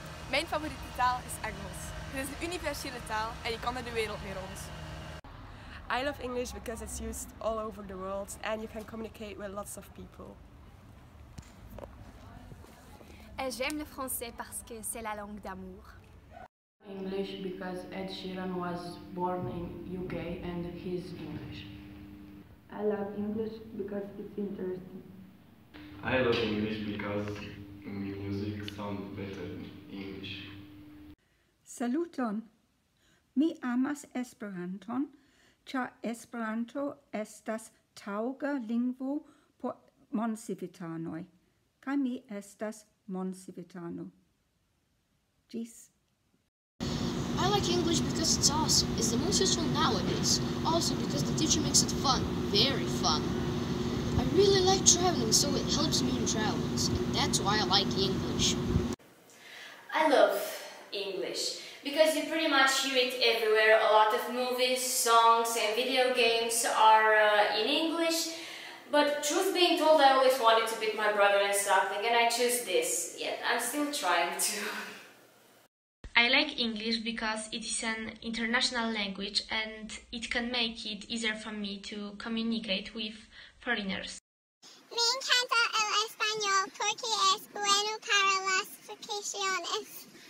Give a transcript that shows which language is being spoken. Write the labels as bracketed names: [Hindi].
[Dutch] Mijn favoriete taal is Engels. Het is een universele taal en je kan er de wereld mee rond. [English] I love English because it's used all over the world and you can communicate with lots of people. [French] Et j'aime le français parce que c'est la langue d'amour. [English] English because Ed Sheeran was born in UK and he's English. I love English because it's interesting. I love English because music sounds better in English. [Esperanto] Saluton! Mi amas Esperanton, ĉar Esperanto estas taŭga lingvo por mondcivitanoj, kaj mi estas mondcivitano. Ĝis! [English] I like English because it's awesome. It's the most useful nowadays. Also because the teacher makes it fun, very fun. I really like traveling, so it helps me in travels, and that's why I like English. I love English, because you pretty much hear it everywhere. A lot of movies, songs and video games are in English, but truth being told, I always wanted to beat my brother in something, and I choose this, yet I'm still trying to. I like English because it is an international language and it can make it easier for me to communicate with foreigners. [Spanish] Me encanta el español porque es bueno para las vacaciones.